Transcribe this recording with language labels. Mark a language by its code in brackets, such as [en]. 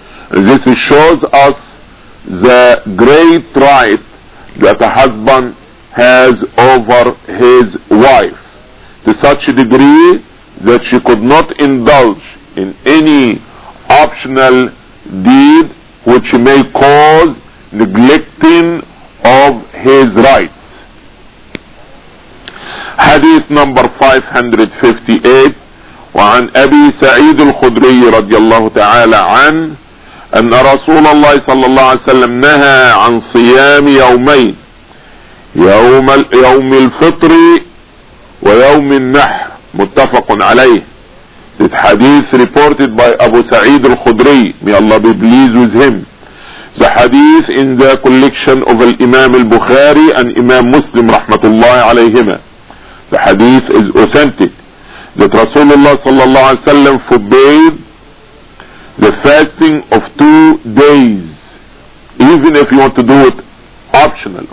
[en] This shows us the great right that a husband has over his wife, to such a degree that she could not indulge in any optional deed which may cause neglecting of his rights. Hadith number 558. [ar] وعن أبي سعيد الخدري رضي الله تعالى عنه أن رسول الله صلى الله عليه وسلم نهى عن صيام يومين, يوم الفطر ويوم النحر. متفق عليه. [en] This hadith reported by Abu Sa'id al-Khudri, may Allah be pleased with him. The hadith in the collection of Imam al-Bukhari and Imam Muslim rahmatullah alayhima. The hadith is authentic, that Rasulullah sallallahu alayhi wa sallam forbade the fasting of 2 days, even if you want to do it optional.